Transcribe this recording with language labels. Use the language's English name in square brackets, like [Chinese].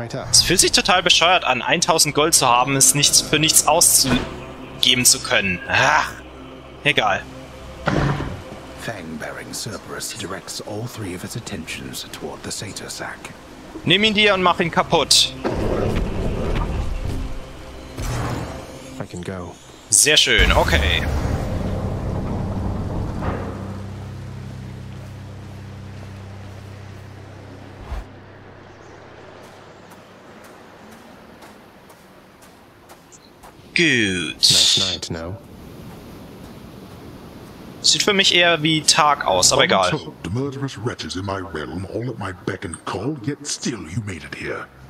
[German] Es fühlt sich total bescheuert an, 1000 Gold zu haben, es nichts für nichts auszugeben zu können. Ah. Egal. [English] Fang-bearing Cerberus directs all three of his attentions toward the Sator Sack. [German] Nimm ihn dir und mach ihn kaputt. [English] I can go. [German] Sehr schön, okay. Gut. [English] Nice night, no? [German] Sieht für mich eher wie Tag aus, aber egal. [English] The murderous wretches in my realm, all at my beck and call, yet still you made it here.